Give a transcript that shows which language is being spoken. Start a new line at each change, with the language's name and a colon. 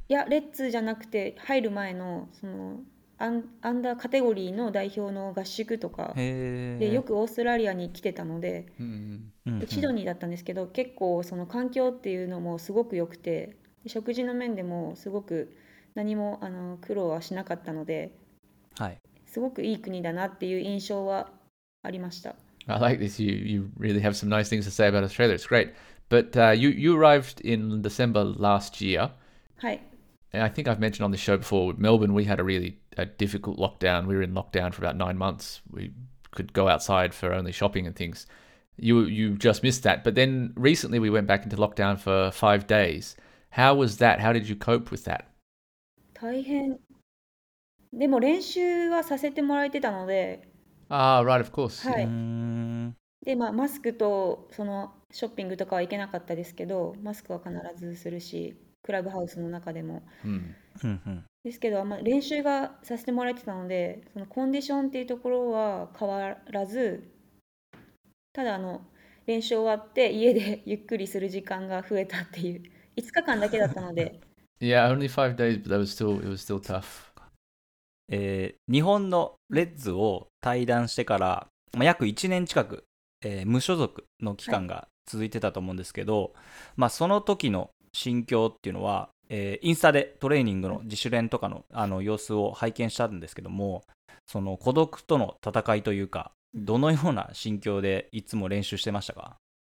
Japanese: いや、レッズじゃなくて入る前 の、 そのアンダーカテゴリーの代表の合宿とかで、よくオーストラリアに来てたの で、うんうん、でシドニーだったんですけど、結構その環境っていうのもすごく良くて、食事の面でもすごく何も苦労はしなかったので、はい、すごくいい国だなっていう印象はありました。
English: I like this. You really have some nice things to say about Australia. It's great. But you arrived in December last year.
Japanese: はい。
English: And I think I've mentioned on this show before, Melbourne, we had a really difficult lockdown. We were in lockdown for about 9 months. We could go outside for only shopping and things. You just missed that. But then recently we went back into lockdown for 5 days. How was that? How did you cope with that?
Japanese: 大変。でも練習はさせてもらえてたので、
English: ああ、right, of course、
Japanese: はい、で、まあ、マスクとそのショッピングとかは行けなかったですけど、マスクは必ずするし、クラブハウスの中でも、うん、ですけど、まあ、練習がさせてもらえてたので、そのコンディションっていうところは変わらず、ただ練習終わって家でゆっくりする時間が増えたっていう、5日間だけだったので
English: Yeah, only 5 days, but it was still tough.
Japanese: 日本のレッズを退団してから、まあ、約1年近く、無所属の期間が続いてたと思うんですけど、はい、まあ、その時の心境っていうのは、インスタでトレーニングの自主練とか の、 様子を拝見したんですけども、その孤独との戦いというか、どのような心境でいつも練習してましたか？